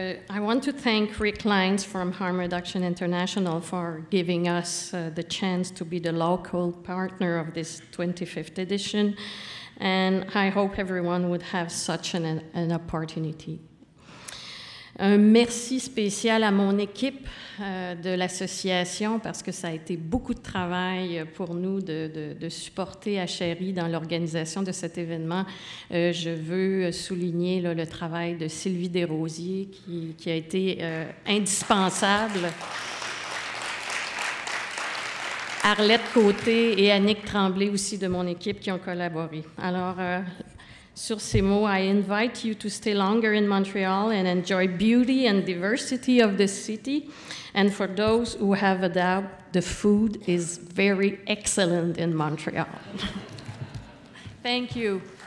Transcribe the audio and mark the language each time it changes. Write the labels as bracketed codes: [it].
[en] I want to thank Rick Lines from Harm Reduction International for giving us the chance to be the local partner of this 25th edition. And I hope everyone would have such an opportunity. [fr] Un merci spécial à mon équipe de l'association parce que ça a été beaucoup de travail pour nous de supporter HRI dans l'organisation de cet événement. Je veux souligner là, le travail de Sylvie Desrosiers qui a été indispensable. Arlette Côté et Annick Tremblay aussi de mon équipe qui ont collaboré. Alors, sur ces mots, [en] I invite you to stay longer in Montreal and enjoy beauty and diversity of the city. And for those who have a doubt, the food is very excellent in Montreal. Thank you.